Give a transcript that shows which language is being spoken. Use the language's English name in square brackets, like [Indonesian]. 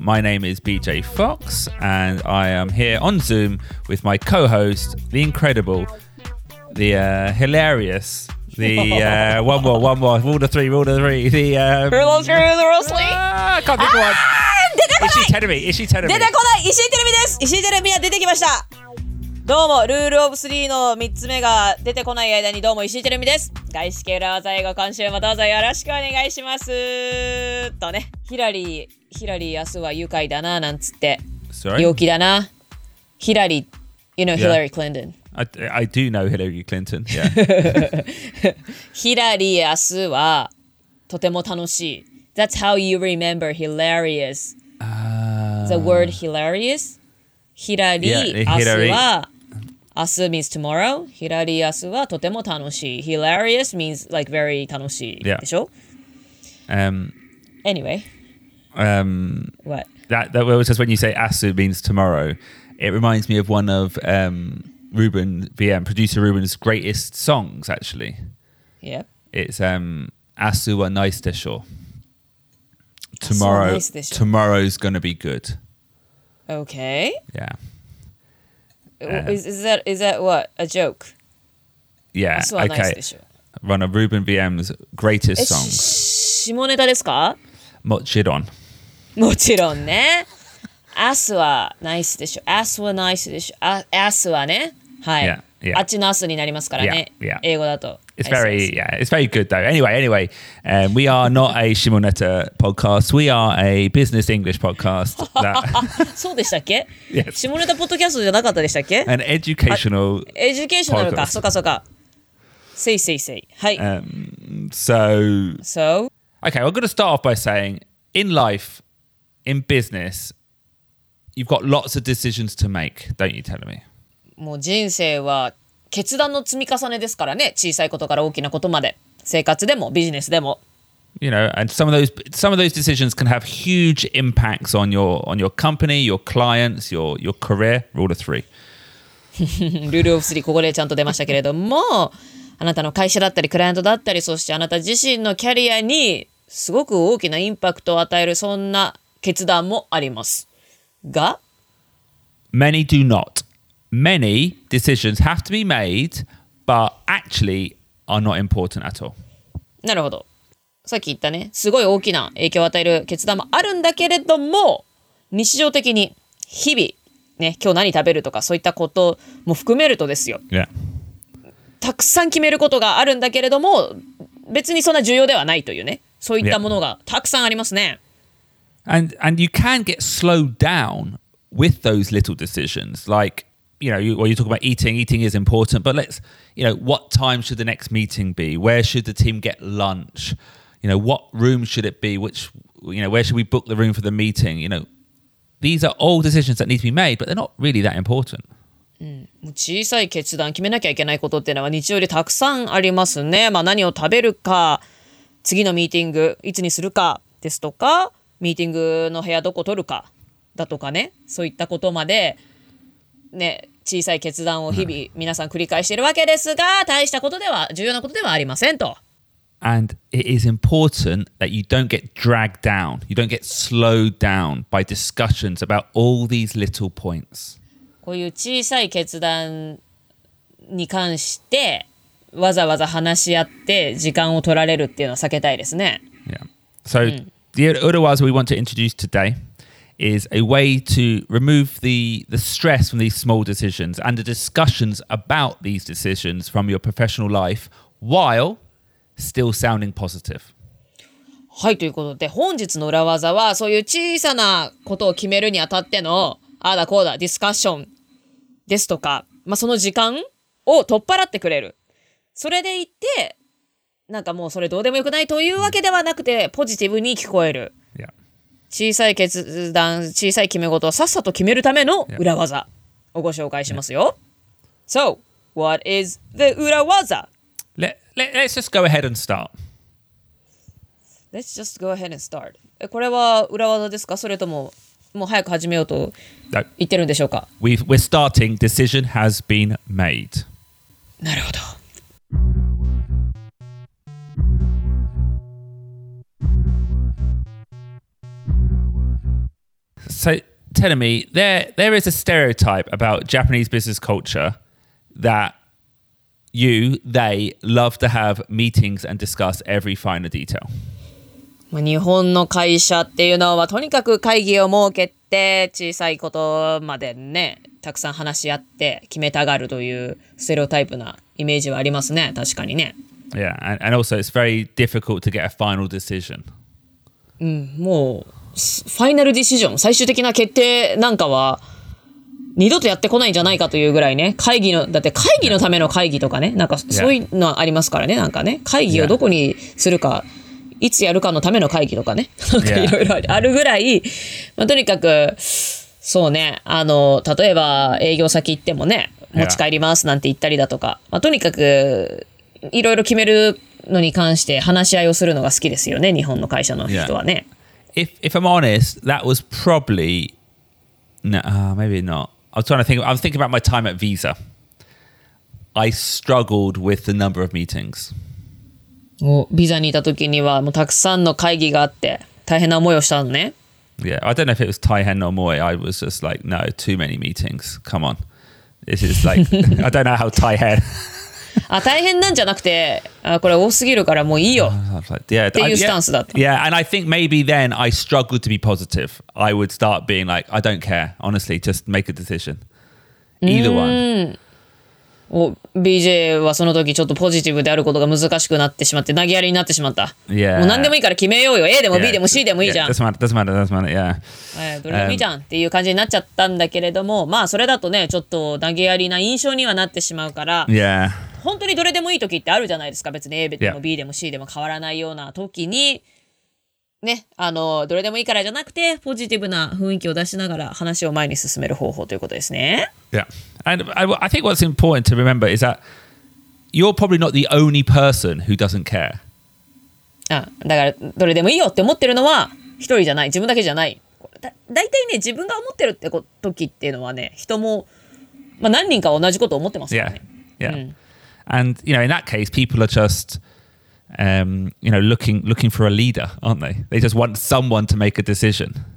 [English] My name is BJ Fox and I am here on Zoom with my co-host, the incredible, the hilarious, the [Japanese] どうもルールオブスリーの3つ目が出てこない間にどうも石井てるみです。外資系裏技映画監修もどうぞよろしくお願いしますとね。ヒラリー明日は愉快だななんつって、 [English] Sorry? [Japanese] 陽気だな。 [English] ヒラリー you know、yeah. Hillary Clinton I do know Hillary Clinton、yeah. [Japanese] ヒラリー明日はとても楽しい。 [English] That's how you remember hilarious、The word hilarious [Japanese] ヒラリー明日は、明日 [English] means tomorrow. [Japanese] ヒラリー明日はとても楽しい。 [English] Hilarious means like very [Japanese] 楽しい、 [English] yeah. [Japanese] でしょ。 [English] Anyway, what that was just when you say 明日 means tomorrow, it reminds me of one of Ruben VM producer Ruben's greatest songs actually. Yep. It's [Japanese] 明日はナイスでしょ。 [English] Tomorrow, tomorrow's gonna be good. Okay. Yeah. Is that what? A joke? Yeah. Okay. One of Ruben VM's greatest songs. [Japanese] 下ネタですか? もちろん。もちろんね。明日はナイスでしょ。明日はナイスでしょ。明日はね。はい。 [English] Yeah, yeah. [Japanese] あっちの明日になりますからね。 [English] Yeah, yeah. [Japanese] 英語だと。 [English] It's very, yeah, it's very good though. Anyway, we are not a Shimoneta podcast. We are a business English podcast. [Japanese] そうでしたっけ? [English] Yes. [Japanese] Shimoneta podcast じゃなかったでしたっけ? [English] An educational podcast. [Japanese] Educational か、そうかそうか。 [English] Say, say, say. [Japanese] はい。 [English] So. Okay, I'm going to start off by saying, in life, in business, you've got lots of decisions to make, don't you tell me? [Japanese] もう人生は…決断の積み重ねですからね。小さいことから大きなことまで、生活でもビジネスでも。 [English] You know, and some of those decisions can have huge impacts on your company, your clients, your career. Rule of three. [Japanese] ルールオブスリーここでちゃんと出ましたけれども、あなたの会社だったりクライアントだったり、そしてあなた自身のキャリアにすごく大きなインパクトを与えるそんな決断もありますが、 [English] Many do not. Many decisions have to be made, but actually are not important at all. [Japanese] なるほど。さっき言ったね、すごい大きな影響を与える決断もあるんだけれども、日常的に日々、ね、今日何食べるとかそういったことも含めるとですよ。 [English] Yeah. [Japanese] たくさん決めることがあるんだけれども、別にそんな重要ではないというね、そういったものがたくさんありますね。 [English] Yeah. And you can get slowed down with those little decisions, like,You know, well, you talk about eating is important, but let's, you know, what time should the next meeting be? Where should the team get lunch? You know, what room should it be? Which, you know, where should we book the room for the meeting? You know, these are all decisions that need to be made, but they're not really that important.、 [Japanese] うん、小さい決断決めなきゃいけないことっていうのは日曜日たくさんありますね。まあ何を食べるか、次のミーティングいつにするかですとか、ミーティングの部屋どこ取るかだとかね、そういったことまで、ね、小さい決断を日々皆さん繰り返しているわけですが、大したことでは重要なことではありませんと。 [English] And it is important that you don't get dragged down, you don't get slowed down by discussions about all these little points. [Japanese] こういう小さい決断に関してわざわざ話し合って時間を取られるっていうのは避けたいですね。 [English] Yeah. So、 [Japanese] うん、 [English] the other words we want to introduce today. Is a way to remove the stress from these small decisions and the discussions about these decisions from your professional life while still sounding positive. [Japanese] はい、ということで本日の裏技はそういう小さなことを決めるにあたってのああだこうだディスカッションですとか、まあ、その時間を取っ払ってくれる。それでいてなんかもうそれどうでもよくないというわけではなくてポジティブに聞こえる。小さい決断、小さい決め事をさっさと決めるための裏技をご紹介しますよ。 [English] Yeah. So, what is the 裏技? Let's just go ahead and start. Let's just go ahead and start. [Japanese] これは裏技ですか? それとももう早く始めようと言ってるんでしょうか? [English] We're starting. Decision has been made. [Japanese] なるほど。 [English] So, Tenami, there is a stereotype about Japanese business culture that they love to have meetings and discuss every finer detail. [Japanese] 日本の会社っていうのはとにかく会議を設けて小さいことまでね、たくさん話し合って決めたがるというステレオタイプなイメージはありますね、確かにね。 [English] Yeah, and also it's very difficult to get a final decision. [Japanese] もうファイナルディシジョン、最終的な決定なんかは二度とやってこないんじゃないかというぐらいね、会議の、だって会議のための会議とかね、なんかそういうのありますからね、なんかね、会議をどこにするか、いつやるかのための会議とかね、なんかいろいろあるぐらい、まあ、とにかく、そうね、例えば営業先行ってもね、持ち帰りますなんて言ったりだとか、まあ、とにかく、いろいろ決めるのに関して話し合いをするのが好きですよね、日本の会社の人はね。 [English] If I'm honest, that was probably, maybe not. I was thinking about my time at Visa. I struggled with the number of meetings. [Japanese] Visa にいた時にはもうたくさんの会議があって大変な思いをしたのね。 [English] Yeah, I don't know if it was [Japanese] 大変な思い. [English] I was just like, no, too many meetings. Come on. This is like, I don't know how [Japanese] 大変. 大変なんじゃなくて、これ多すぎるからもういいよ。っていうスタンスだった。 [English] Yeah, and I think maybe then I struggled to be positive. I would start being like, I don't care, honestly, just make a decision. Either one. [Japanese] BJ はその時ちょっとポジティブであることが難しくなってしまって、投げやりになってしまった。 [English] Yeah. [Japanese] もう何でもいいから決めようよ。A でも B でも C でもいいじゃん。 [English] Yeah, doesn't matter, yeah. [Japanese] どれでもいいじゃんっていう感じになっちゃったんだけれども、まあそれだとね、ちょっと投げやりな印象にはなってしまうから。 [English] Yeah. [Japanese] 本当にどれでもいい時ってあるじゃないですか。別に A でも B でも C でも変わらないような時に、ね、どれでもいいからじゃなくて、ポジティブな雰囲気を出しながら話を前に進める方法ということですね。 [English] Yeah. And I think what's important to remember is that you're probably not the only person who doesn't care. [Japanese] あ、だから、どれでもいいよって思ってるのは、一人じゃない、自分だけじゃない。だいたいね、自分が思ってるって時っていうのはね、人も、まあ、何人か同じこと思ってますからね。 [English] Yeah. Yeah. [Japanese] うん [English] And, you know, in that case, people are just, looking for a leader, aren't they? They just want someone to make a decision.